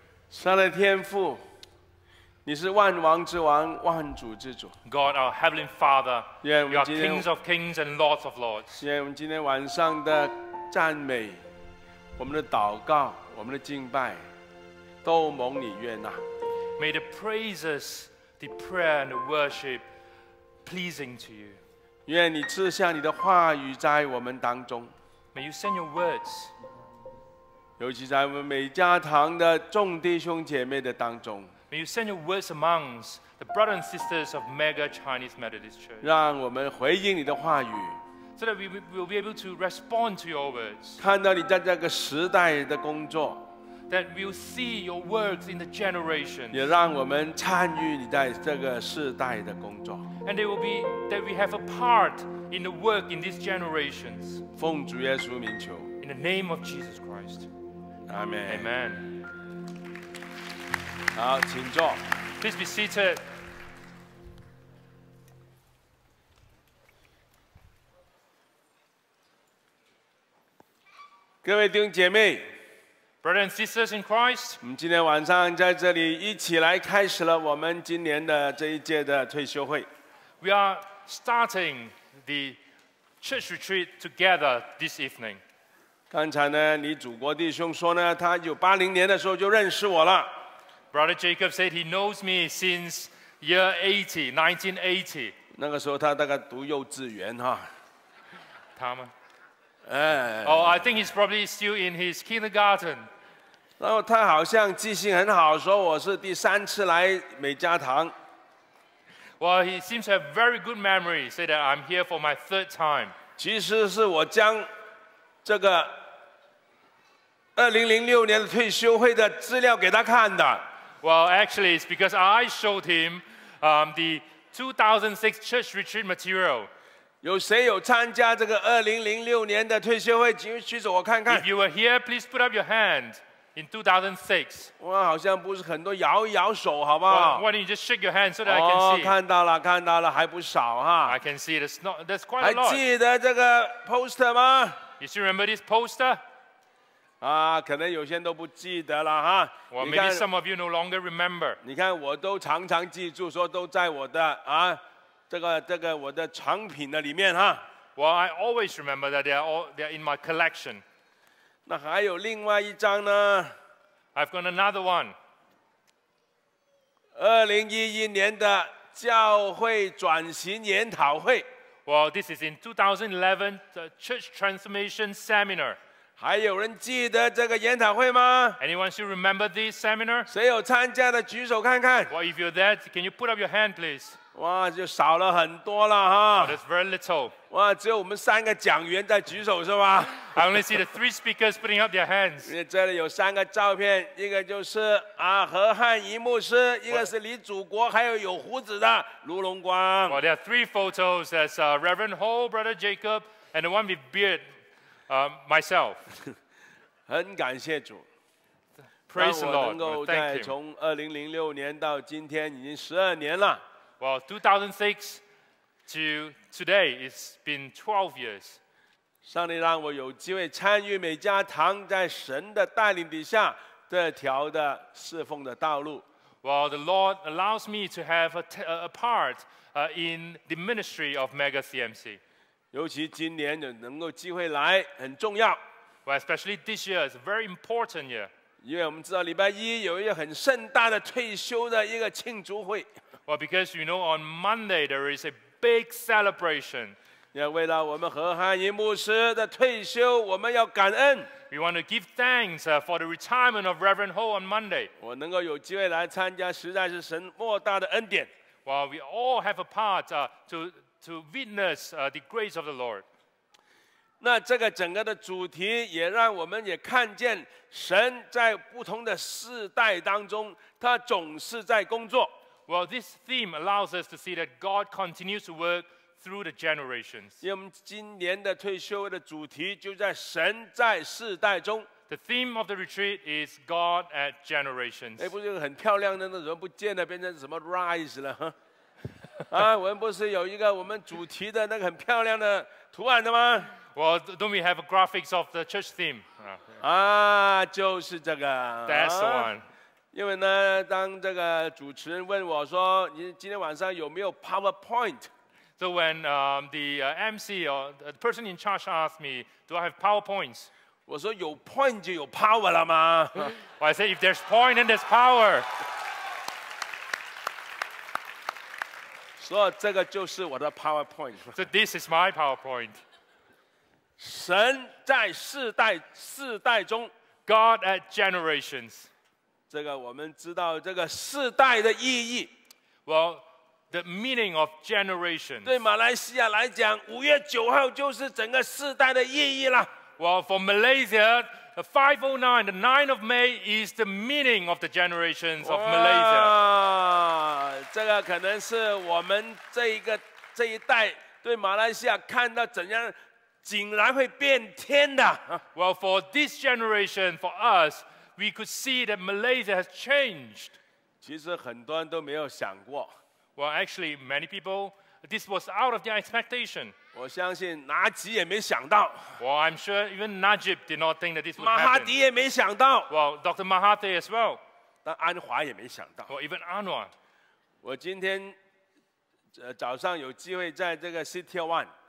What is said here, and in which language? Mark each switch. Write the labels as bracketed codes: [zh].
[zh] 神的天父，你是万王之王，万主之主。 [en] God, our heavenly Father, you are kings of kings and lords of lords. [zh] 愿我们今天晚上的赞美，我们的祷告，我们的敬拜，都蒙你悦纳。 [en] May the praises, the prayer, and the worship pleasing to you. [zh] 愿你赐下你的话语在我们当中。 [en] May you send your words. [zh] 尤其在我们每家堂的众弟兄姐妹的当中， [en] May you send your words amongst the brothers and sisters of Mega Chinese Methodist Church. [zh] 让我们回应你的话语， [en] So that we will be able to respond to your words. [zh] 看到你在这个时代的工作， [en] That we will see your works in the generations. [zh] 也让我们参与你在这个世代的工作， [en] And it will be that we have a part in the work in these generations. [zh] 奉主耶稣名求， [en] In the name of Jesus Christ. Amen. Amen. [zh] 好，请坐。 [en] Please be seated. [zh] 各位弟兄姐妹 [en] ，Brothers and sisters in Christ， [zh] 我们今天晚上在这里一起来开始了我们今年的这一届的退休会。 [en] We are starting the church retreat together this evening. [zh] 刚才呢，你祖国弟兄说呢，他1980年的时候就认识我了。 [en] Brother Jacob said he knows me since year 1980. [zh] 那个时候他大概读幼稚园哈。他吗？ [en] Oh, I think he's probably still in his kindergarten. [zh] 然后他好像记性很好，说我是第三次来美加堂。 [en] Well, he seems to have very good memory. Say that I'm here for my third time. [zh] 其实是我将。这个2006年的退休会的资料给他看的。 [en] Well, actually, it's because I showed him the 2006 church retreat material. [zh] 有谁有参加这个2006年的退休会？请举手我看看。 [en] If you were here, please put up your hand in 2006. [zh] 哇，好像不是很多，摇一摇手，好不好 [en] well, ？Why don't you just shake your hand so that I can see? [zh] 哦，看到了，看到了，还不少哈。 [en] I can see it's not that's quite a lot. [zh] 还记得这个 poster 吗？ [en] You still remember this poster? [zh] 啊，可能有些人都不记得了哈。 [en] Well, maybe some of you no longer remember. [zh] 你看，我都常常记住，说都在我的啊，这个我的藏品的里面哈。 [en] Well, I always remember that they are in my collection. [zh] 那还有另外一张呢 [en] ？I've got another one. [zh] 2011年的教会转型研讨会。 [en] Well, this is in 2011, the Church Transformation Seminar. [zh] 还有人记得这个研讨会吗 [en] ？Anyone still remember this seminar? [zh] 谁有参加的举手看看。 [en] Well, if you're there, can you put up your hand, please? [zh] 哇，就少了很多了哈。 [en] Oh, that's very little. [zh] 哇，只有我们三个讲员在举手是吧 [en] ？I only see the three speakers putting up their hands. [zh] 因为这里有三个照片，一个就是啊何汉仪牧师，一个是李祖国，还有胡子的卢龙光。 [en] Well, there are three photos. That's Reverend Ho, Brother Jacob, and the one with beard, myself. [zh] 很感谢主。 [en] Praise the Lord. [zh] 让我能够在从2006年到今天已经12年了。 [en] Well, 2006 to today, it's been 12 years. [zh] 上帝让我有机会参与每家堂在神的带领底下这条的侍奉的道路。 [en] Well, the Lord allows me to have a part in the ministry of MegaCMC. [zh] 尤其今年能够机会来很重要。 [en] Well, especially this year is a very important year. [zh] 因为我们知道礼拜一有一个很盛大的退休的一个庆祝会。 [en] Well, because you know, on Monday there is a big celebration. [zh] 为了我们何汉仪牧师的退休，我们要感恩。 [en] We want to give thanks for the retirement of Reverend Ho on Monday. [zh] 我能够有机会来参加，实在是神莫大的恩典。 [en] Well, we all have a part to witness the grace of the Lord. [zh] 那这个整个的主题也让我们也看见神在不同的世代当中，他总是在工作。 [en] Well, this theme allows us to see that God continues to work through the generations. [zh] 因为我们今年的退休的主题就在神在世代中。 [en] The theme of the retreat is God at generations. [zh] 不是很漂亮的，怎么不见了，变成什么 rise 了？啊，我们不是有一个我们主题的那个很漂亮的图案的吗 [en] Well, don't we have graphics of the church theme? [zh] 啊，就是这个。 [en] That's the one. [zh] 因为呢，当这个主持人问我说，你今天晚上有没有 PowerPoint？ [en] So when MC or the person in charge asked me, "Do I have PowerPoints?" [zh] 我说有 point 就有 power 了吗？ [en] Well, I said, "If there's point, then there's power." [zh] 所以这个就是我的 PowerPoint. [en] So this is my PowerPoint. [zh] 神在世代中 [en] God at generations. [zh] 这个我们知道这个世代的意义。 [en] Well, the meaning of generations. [zh] 对马来西亚来讲，五月九号就是整个世代的意义了。 [en] Well, for Malaysia, the 509, the 9th of May is the meaning of the generations of Malaysia. [zh] 这个可能是我们这一代对马来西亚看到怎样竟然会变天的。 [en] Well, for this generation, for us, we could see that Malaysia has changed. [zh] 其实很多人都没有想过。 [en] Well, actually, many people, this was out of their expectation. [zh] 我相信纳吉也没想到。 [en] Well, I'm sure even Najib did not think that this would happen. [zh] 马哈迪也没想到。 [en] Well, Dr. Mahathir as well. [zh] 但安华也没想到。 [en] Well, even Anwar. [zh] 我今天早上有机会在这个 City One.